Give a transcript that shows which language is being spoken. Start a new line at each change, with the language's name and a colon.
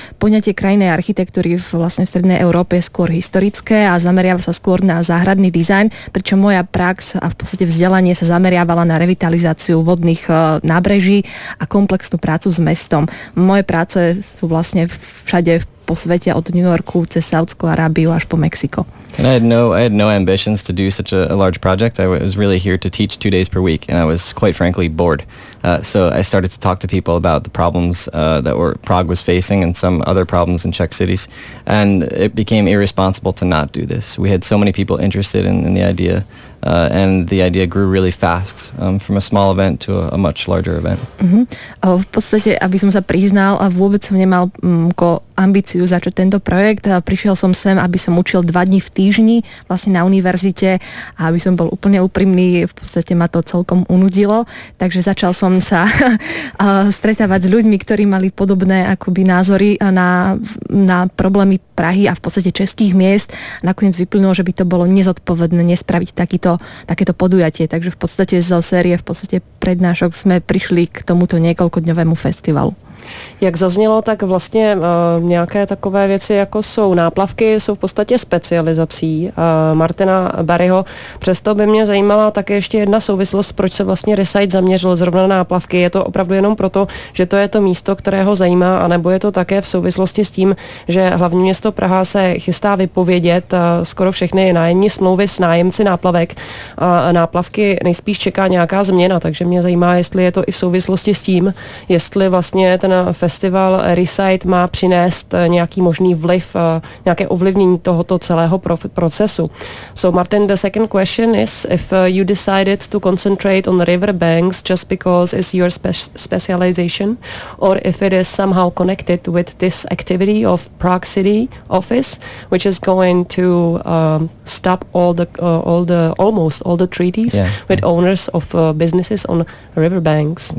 Slovak: Poňatie krajinnej architektúry vlastne v strednej Európe je skôr historické a zameriava sa skôr na záhradný dizajn, pričom moja prax a v podstate vzdelanie sa zameriavala na revitalizáciu vodných nábreží a komplexnú prácu s mestom. Moje práce sú vlastne všade po svete, od New Yorku cez Saudskú Arábiu až po Mexiko.
English: And I had no ambitions to do such a large project. I was really here to teach 2 days per week, and I was quite frankly bored. So I started to talk to people about the problems Prague was facing and some other problems in Czech cities, and it became irresponsible to not do this. We had so many people interested in the idea, and the idea grew really fast from a small event to a much larger event.
Slovak: Mm-hmm. V podstate, aby som sa priznal, a vôbec som nemal ambíciu začať tento projekt. Prišiel som sem, aby som učil 2 dni v týždni vlastne na univerzite, a aby som bol úplne úprimný, v podstate ma to celkom unudilo, takže začal som sa stretávať s ľuďmi, ktorí mali podobné akoby názory na problémy Prahy a v podstate českých miest. Nakoniec vyplynulo, že by to bolo nezodpovedné nespraviť takéto podujatie, takže v podstate zo série v podstate prednášok sme prišli k tomuto niekoľkodňovému festivalu.
Czech: Jak zaznělo, tak vlastně nějaké takové věci, jako jsou náplavky, jsou v podstatě specializací Martina Barryho. Přesto by mě zajímala také ještě jedna souvislost, proč se vlastně Resight zaměřil zrovna na náplavky. Je to opravdu jenom proto, že to je to místo, které ho zajímá, anebo je to také v souvislosti s tím, že hlavní město Praha se chystá vypovědět skoro všechny nájemní smlouvy s nájemci náplavek. Náplavky nejspíš čeká nějaká změna, takže mě zajímá, jestli je to i v souvislosti s tím, jestli vlastně ten festival Resight má přinést nějaký možný vliv, nějaké ovlivnění tohoto celého procesu.
English: So Martin, the second question is, if you decided to concentrate on the riverbanks just because it's your specialization, or if it is somehow connected with this activity of Prague City Office, which is going to stop almost all the treaties, yeah, with owners of businesses on riverbanks.